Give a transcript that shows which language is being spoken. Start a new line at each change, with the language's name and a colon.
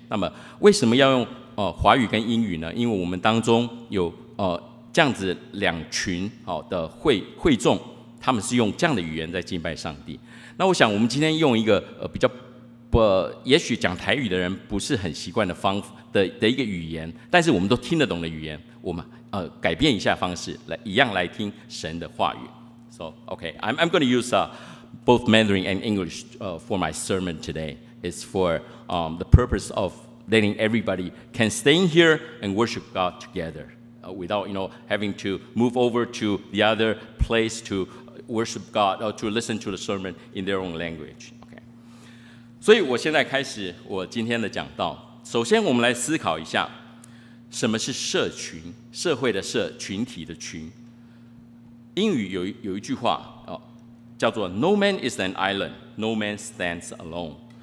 Chinese: 那么为什么要用？华语跟英语呢？因为我们当中有这样子两群好的会众，他们是用这样的语言在敬拜上帝。那我想，我们今天用一个比较不，也许讲台语的人不是很习惯的方的一个语言，但是我们都听得懂的语言，我们改变一下方式，来一样来听神的话语。
English: So okay, I'm going to use both Mandarin and English for my sermon today. It's for the purpose of letting everybody can stay in here and worship God together without, you know, having to move over to the other place to worship God or to listen to the sermon in their own language. Okay.
Chinese: 所以我现在开始我今天的讲道。首先我们来思考一下什么是社群，社会的社，群体的群。英语 有一句话叫做
English: No man is an island, no man stands alone.